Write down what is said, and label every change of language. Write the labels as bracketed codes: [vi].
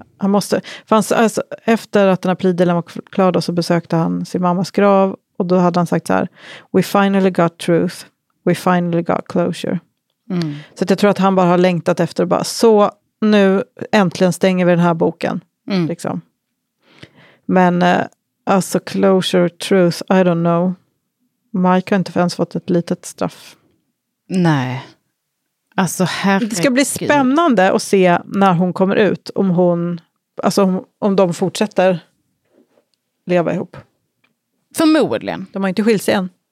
[sv] Han måste, fanns, alltså, efter att den här plidelen var klar då, så besökte han sin mammas grav. Och då hade han sagt så här: [en] we finally got truth. We finally got closure. Mm. [sv] Så att jag tror att han bara har längtat efter och bara, så nu äntligen stänger vi den här boken. Mm. Liksom. Men alltså [en] closure, truth, I don't know. [sv] Mike har inte ens fått ett litet straff. Nej. Alltså, det ska bli spännande att se när hon kommer ut, om hon, alltså om de fortsätter leva ihop. Förmodligen. De har inte skilt sig än.